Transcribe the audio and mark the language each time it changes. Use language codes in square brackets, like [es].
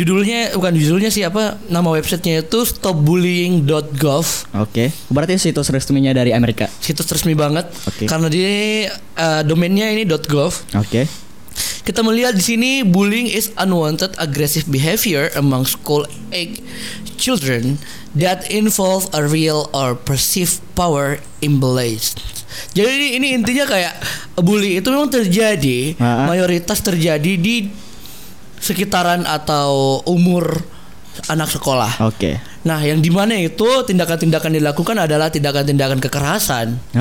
[id] Judulnya, bukan judulnya sih, apa nama websitenya itu stopbullying.gov. Oke, okay. Berarti situs resminya dari Amerika. Situs resmi banget. Okay. Karena di domainnya ini .gov. Oke. Okay. Kita melihat di sini [en] bullying is unwanted aggressive behavior among school age children that involve a real or perceived power imbalance. [id] Jadi ini intinya kayak bully itu memang terjadi, mayoritas terjadi di sekitaran atau umur anak sekolah. Oke. Okay. Nah, yang di mana itu tindakan-tindakan dilakukan adalah tindakan-tindakan kekerasan.